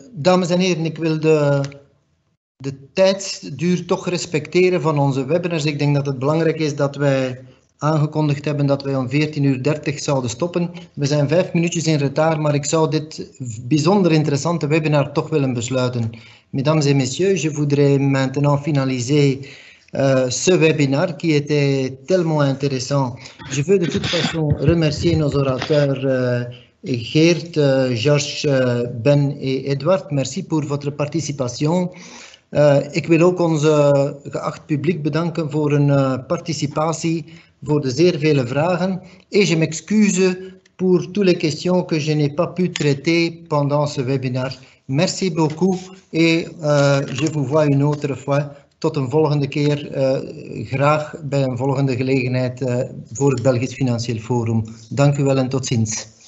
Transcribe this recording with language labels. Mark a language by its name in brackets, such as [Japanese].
[Dutch] Dames en heren, ik wil de tijdsduur toch respecteren van onze webinars. Ik denk dat het belangrijk is dat wij aangekondigd hebben dat wij om 14:30 zouden stoppen. We zijn 5 minuutjes in retard, maar ik zou dit bijzonder interessante webinar toch willen besluiten. [French] Mesdames et messieurs, je voudrais maintenant finaliser ce webinar qui était tellement intéressant. Je veux de toute façon remercier nos orateurs Geert, Georges, Ben et Edward. Merci pour votre participation. [Dutch] Ik wil ook onze geacht publiek bedanken voor hun participatie, voor de zeer vele vragen. [French] Et je m'excuse pour toutes les questions que je n'ai pas pu traiter pendant ce webinar. Merci beaucoup et je vous vois une autre fois. [Dutch] Tot een volgende keer, graag bij een volgende gelegenheid voor het Belgisch Financieel Forum. Dank u wel en tot ziens.